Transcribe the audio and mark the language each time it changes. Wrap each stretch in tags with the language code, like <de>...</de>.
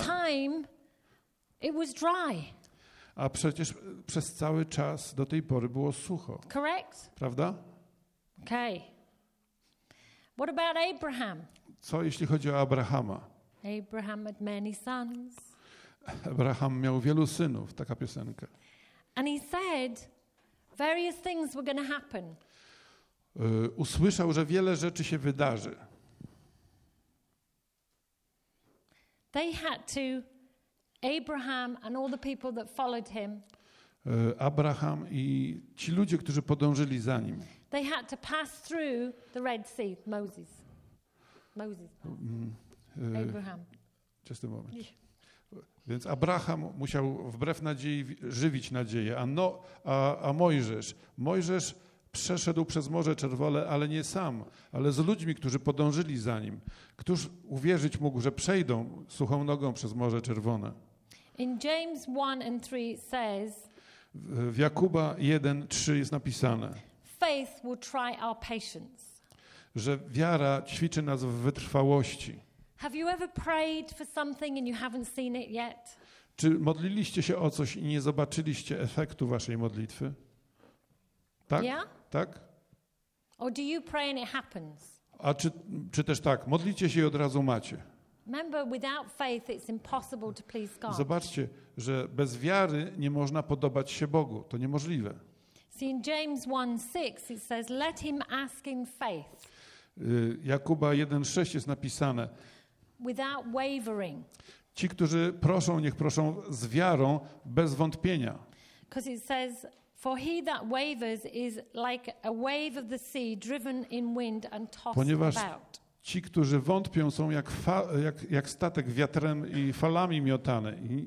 <en>And at that time it was dry.</en> <pl>A przecież przez cały czas do tej pory było sucho.</pl> <en>Correct?</en> <pl>Prawda?</pl> <en>Okay. What about Abraham?</en> <pl>Co jeśli chodzi o Abrahama?</pl> <en>Abraham had many sons.</en> <pl>Abraham miał wielu synów, taka piosenka.</pl> <en>And he said various things were going to happen.</en> <pl>Usłyszał, że wiele rzeczy się wydarzy.</pl> <en>They had to Abraham and all the people that followed him.</en> <pl>Abraham i ci ludzie, którzy podążyli za nim.</pl> <en>They had to pass through the Red Sea, Moses. Moses. Abraham. Just a moment.</en> <pl>Więc Abraham musiał wbrew nadziei żywić nadzieję, a Mojżesz przeszedł przez Morze Czerwone, ale nie sam, ale z ludźmi, którzy podążyli za nim. Któż uwierzyć mógł, że przejdą suchą nogą przez Morze Czerwone?</pl> <en>In James 1:3 says,</en> <pl>w Jakuba 1:3 jest napisane,</pl> <en>faith will try our patience.</en> <pl>Że wiara ćwiczy nas w wytrwałości.</pl> <en>Have you ever prayed for something and you haven't seen it yet?</en> <pl>Czy modliliście się o coś i nie zobaczyliście efektu waszej modlitwy? Tak?</pl> <en>Yeah?</en> <pl>Tak?</pl> <en>Or do you pray and it happens?</en> <pl>A czy też tak, modlicie się i od razu macie.</pl> <en>Remember, without faith, it's impossible to please God.</en> <pl>Zobaczcie, że bez wiary nie można podobać się Bogu. To niemożliwe.</pl> <en>See, in James 1:6 it says, let him ask in faith.</en> <pl>Jakuba 1:6 jest napisane.</pl> <en>Without wavering.</en> <pl>Ci, którzy proszą, niech proszą z wiarą, bez wątpienia.</pl> <en>Because it says, for he that wavers is like a wave of the sea driven in wind and tossed about.</en> <pl>Ci, którzy wątpią, są jak statek wiatrem i falami miotany.</pl>